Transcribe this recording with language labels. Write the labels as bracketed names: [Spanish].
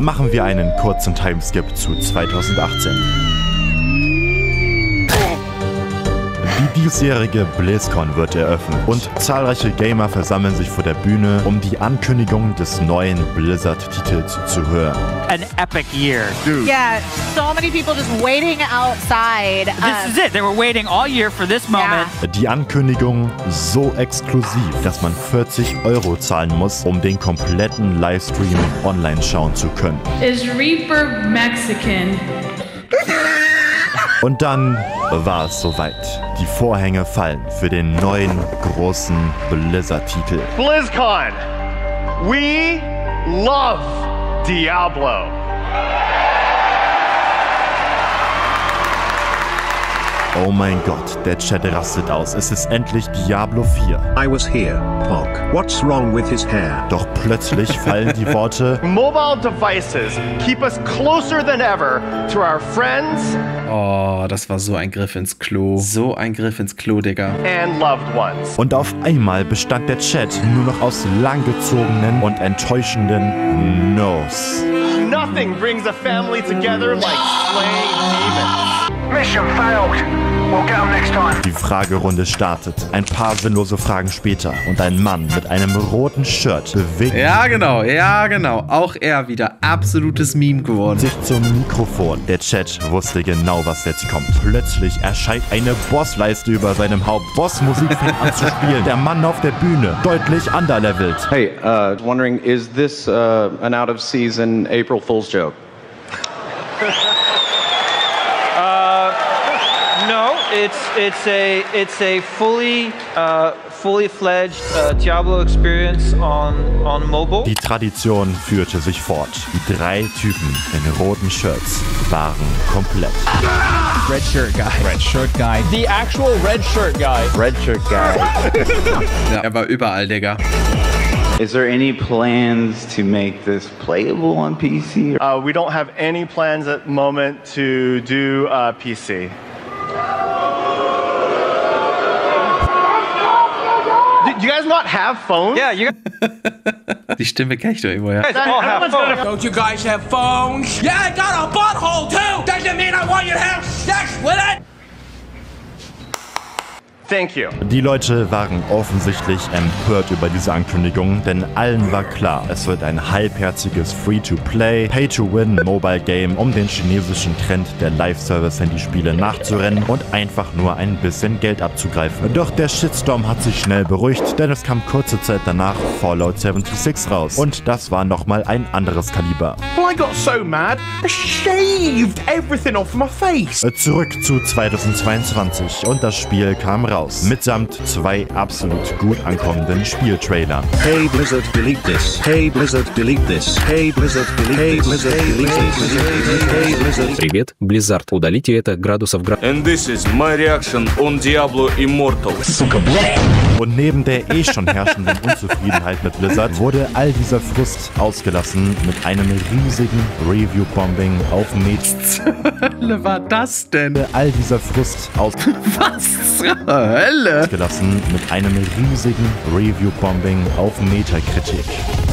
[German] Machen wir einen kurzen Timeskip zu 2018. Die diesjährige BlizzCon wird eröffnet und zahlreiche Gamer versammeln sich vor der Bühne, um die Ankündigung des neuen Blizzard-Titels zu hören. [English] An epic year, dude. Yeah, so many people just waiting outside. This is it. They were waiting all year for this moment. Yeah. [German] Die Ankündigung so exklusiv, dass man 40 Euro zahlen muss, um den kompletten Livestream online schauen zu können. [English] Is Reaper Mexican? [German] Und dann war es soweit. Die Vorhänge fallen für den neuen großen Blizzard-Titel. [English] BlizzCon, we love Diablo. [German] Oh mein Gott, der Chat rastet aus. Es ist endlich Diablo 4. [English] I was here, Pog. What's wrong with his hair? [German] Doch plötzlich fallen die Worte [English] Mobile devices keep us closer than ever to our friends. [German] Oh, das war so ein Griff ins Klo. So ein Griff ins Klo, Digga. [English] And loved ones. [German] Und auf einmal bestand der Chat nur noch aus langgezogenen und enttäuschenden No's. [English] Nothing brings a family together like slaying demons. Mission failed. [German] Die Fragerunde startet. Ein paar sinnlose Fragen später und ein Mann mit einem roten Shirt bewegt. Ja genau. Auch er wieder absolutes Meme geworden. Sich zum Mikrofon. Der Chat wusste genau, was jetzt kommt. Plötzlich erscheint eine Bossleiste über seinem Haupt. Bossmusik fängt an zu spielen. Der Mann auf der Bühne deutlich underlevelt. [English] Hey, wondering, is this an out of season April Fool's joke? It's a fully fledged Diablo experience on mobile. [German] Die Tradition führte sich fort. Die drei Typen in roten Shirts waren komplett. [English] Red shirt guy. Red shirt guy. The actual red shirt guy. Red shirt guy. [German] Ja, er war überall, Digga. [English] Is there any plans to make this playable on PC? We don't have any plans at the moment to do PC. You guys not have phones? Yeah, you [German] Die Stimme kenne ich doch irgendwo, ja. [English] Don't you guys have phones? Yeah, I got a butthole too! Doesn't mean I want you to have sex with it! Thank you. [German] Die Leute waren offensichtlich empört über diese Ankündigung, denn allen war klar, es wird ein halbherziges Free-to-Play, Pay-to-Win-Mobile-Game, um den chinesischen Trend der Live-Service-Handyspiele nachzurennen und einfach nur ein bisschen Geld abzugreifen. Doch der Shitstorm hat sich schnell beruhigt, denn es kam kurze Zeit danach Fallout 76 raus. Und das war nochmal ein anderes Kaliber. [English] Well, I got so mad, I shaved everything off my face. [German] Zurück zu 2022 und das Spiel kam raus, mitsamt zwei absolut gut ankommenden Spieltrailern. [English] Hey Blizzard, delete this. Hey Blizzard, delete this. Hey Blizzard, delete this. Hey Blizzard, delete this. Hey Blizzard. [Russian] Привет, Blizzard, удалите это градусов гра... [English] And this is my reaction on Diablo Immortal. [Russian] Сука, блядь! [German] Und neben der eh schon herrschenden Unzufriedenheit mit Blizzard wurde all dieser Frust ausgelassen mit einem riesigen Review-Bombing auf Meta. Was zur Hölle war das denn? All dieser Frust aus... Was zur Hölle? ...ausgelassen mit einem riesigen Review-Bombing auf Metacritic.